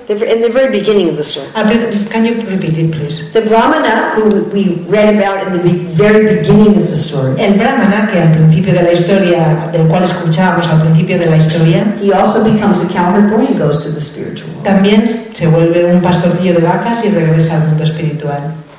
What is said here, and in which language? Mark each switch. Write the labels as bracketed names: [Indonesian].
[English] In the very beginning of the story. Can you repeat it, please? The Brahmana who we read about in the very beginning of the story. [Spanish] El Brahmana que al principio de la historia, del cual escuchábamos al principio de la historia. [English] He also becomes a cowherd boy and goes to the spiritual world. [Spanish] También se vuelve un pastorcillo de vacas y regresa al mundo espiritual.